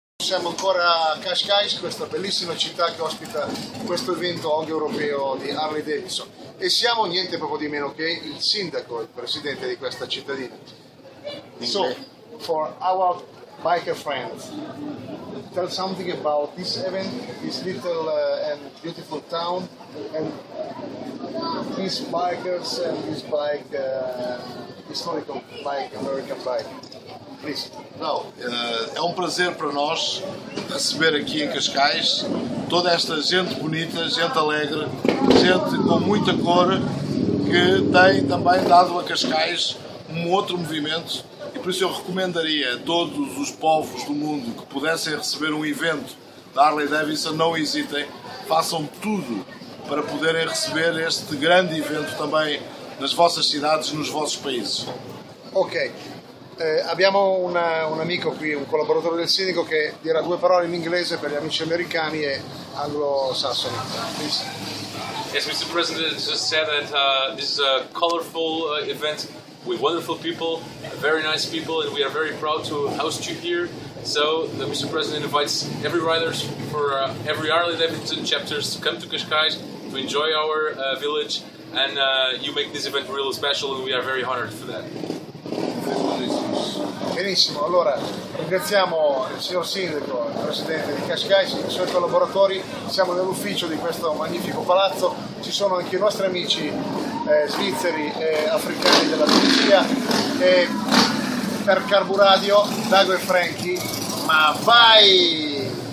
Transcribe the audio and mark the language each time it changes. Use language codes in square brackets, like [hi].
[it] siamo ancora a Qashqai, questa bellissima città che ospita questo evento OG europeo di Harley Davidson, e siamo niente proprio di meno che il sindaco, il presidente di questa cittadina. [en] So, for our biker friends, tell something about this event, this little and beautiful town, and these bikers and this bike, historical bike, American bike. [pt] Não, é um prazer para nós receber aqui em Cascais toda esta gente bonita, gente alegre, gente com muita cor, que tem também dado a Cascais um outro movimento. E por isso eu recomendaria a todos os povos do mundo que pudessem receber um evento da Harley Davidson, não hesitem, façam tudo para poderem receber este grande evento também nas vossas cidades e nos vossos países. Ok. [it] Abbiamo un amico qui, un collaboratore del sindaco, che dirà due parole in inglese per gli amici americani e anglosassoni. [en] Yes, Mr. President just said that this is a colorful event with wonderful people, very nice people, and we are very proud to host you here. So, the Mr. President invites every riders for every Harley Davidson chapters to come to Qashqai to enjoy our village, and you make this event really special, and we are very honored for that. [it] Benissimo, allora ringraziamo il signor sindaco, il presidente di Qashqai, i suoi collaboratori, siamo nell'ufficio di questo magnifico palazzo, ci sono anche i nostri amici svizzeri e africani della Tunisia, e per Carburadio, Dago e Franchi, ma vai!